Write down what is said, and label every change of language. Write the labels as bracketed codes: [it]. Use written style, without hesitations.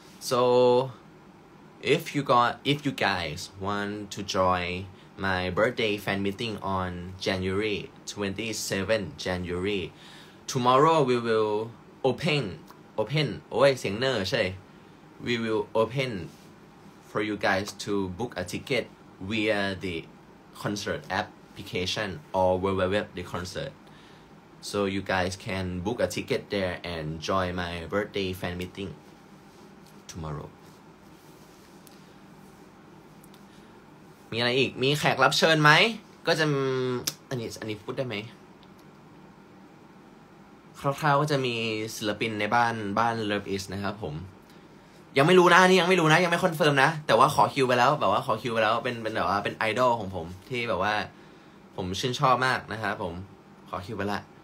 [en] So if you guys want to join my birthday fan meeting on January 27 tomorrow we will open [th] โอ้ยเสียงเนอร์ใช่ [en] we will openfor you guys to book a ticket via the concert application or www.theconcert. So you guys can book a ticket there and join my birthday fan meeting tomorrow. [th] มีอะไรอีกมีแขกรับเชิญไหมก็จะอันนี้พูดได้ไหมคร่าวๆก็จะมีศิลปินในบ้าน Love Is นะครับผมยังไม่รู้นะนี่ยังไม่คอนเฟิร์มนะแต่ว่าขอคิวไปแล้วแบบว่าขอคิวไปแล้วเป็นแบบว่าเป็นไอดอลของผมที่แบบว่าผมชื่นชอบมากนะครับผมขอคิวไปละ